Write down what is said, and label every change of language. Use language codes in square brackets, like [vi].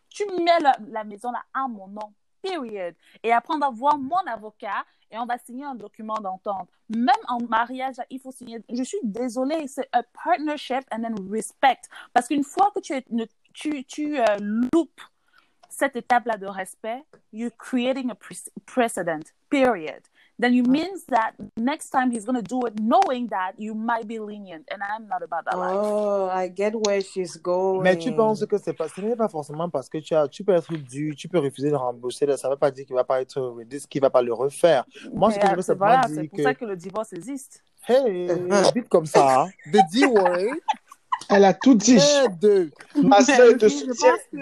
[fr] Tu mets la maison là à mon nom, period. Et après, on va voir mon avocat, et on va signer un document d'entente. Même en mariage, il faut signer. Je suis désolée, c'est [en] a partnership, and then respect. [fr] Parce qu'une fois que tu loupes cette étape-là de respect, [en] you're creating a precedent, period. then you means that next time he's going to do it knowing that you might be lenient. And I'm not about that life. Oh, I get where she's going. [fr] Mais tu penses que ce n'est pas forcément parce que tu peux être dû, tu peux refuser de rembourser, ça ne veut pas dire qu'il ne va pas être redis, qu'il ne va pas le refaire. Moi, ce que je veux, c'est pas dire que... C'est pour ça que le divorce existe. Hey, vite comme ça. [en] The D word. [fr] Elle a tout dit. Ma soeur te soutient.